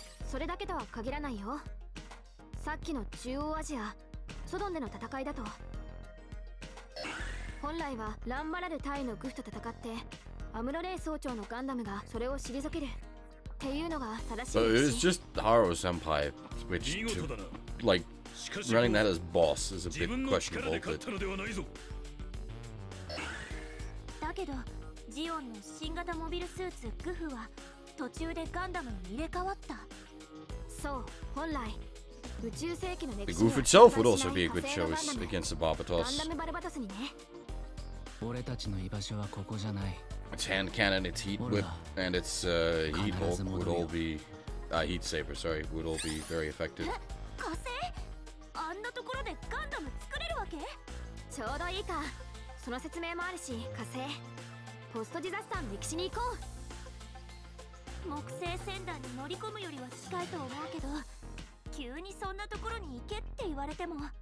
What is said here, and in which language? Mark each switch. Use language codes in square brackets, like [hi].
[ja] それだけとは限らないよ。さっきの中央アジアソドンでの戦いだと、本来はランバラル隊のグフと戦ってアムロレイ総長のガンダムがそれを退けるっていうのが正しい。 [en] So it's just Haro Senpai, which to, like, running that as boss is a bit questionable, but... [ja] だけど、ジオンの新型モビルスーツグフは途中でガンダムに入れ替わった。そう、本来、宇宙世紀の歴史 [en] は、The Goof itself would also be a good choice against the Barbatos. [ja] ガンダムバルバトスにね。俺たちの居場所はここじゃない。 [en] It's hand cannon, it's heat whip, and it's heat hawk would all be heat saber, sorry, would all be very effective. [ja] あんなところでガンダム作れるわけ？ちょうどいいか。その説明もあるし、火星。ポストディザスターの歴史に行こう。木星船団に乗り込むよりは近いと思うけど、急にそんなところに行けって言われても。